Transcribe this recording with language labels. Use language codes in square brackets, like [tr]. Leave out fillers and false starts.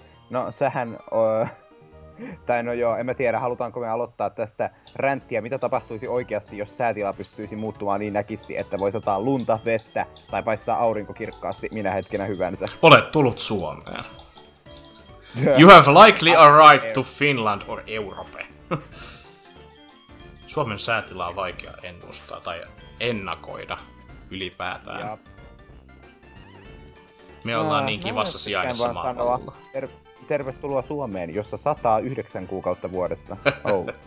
[fi] No, sähän... Tai no joo, en mä tiedä, halutaanko me aloittaa tästä ränttiä, mitä tapahtuisi oikeasti, jos säätila pystyisi muuttumaan niin näkisti, että voi sataa lunta, vettä tai paistaa aurinko kirkkaasti minä hetkenä hyvänsä. Olet tullut Suomeen. [en] You have likely arrived to Finland or Europe. [fi] Suomen säätila on vaikea ennustaa tai ennakoida ylipäätään. Ja. Me ollaan niin kivassa sijainnissa maapallolla. Tervetuloa Suomeen, jossa sataa 9 kuukautta vuodesta. Oh.